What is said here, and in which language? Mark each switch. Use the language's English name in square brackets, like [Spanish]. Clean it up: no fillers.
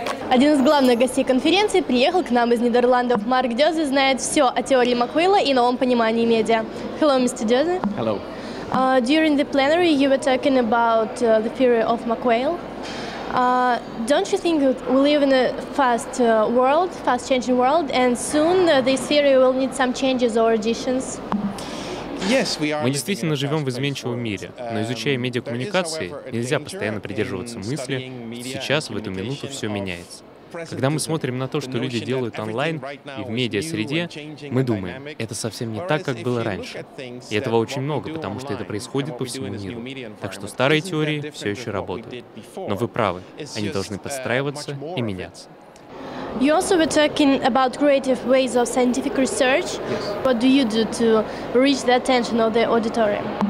[Russian] Один из главных гостей конференции приехал к нам из Нидерландов. Марк Дёзе знает все о теории Макуилла и новом понимании медиа. [English] Hello, Mr. Дёзе. Hello. During the plenary, you were talking about the theory of Макуилл. Don't you think we live in a fast world, fast-changing world, and soon this theory will need some changes or additions? [Russian] Мы действительно живем в изменчивом мире, но изучая медиакоммуникации, нельзя постоянно придерживаться мысли, сейчас, в эту минуту, все меняется. Когда мы смотрим на то, что люди делают онлайн и в медиа-среде, мы думаем, это совсем не так, как было раньше. И этого очень много, потому что это происходит по всему миру. Так что старые теории все еще работают. Но вы правы, они должны подстраиваться и меняться. [English] You also were talking about creative ways of scientific research. Yes. What do you do to reach the attention of the auditorium?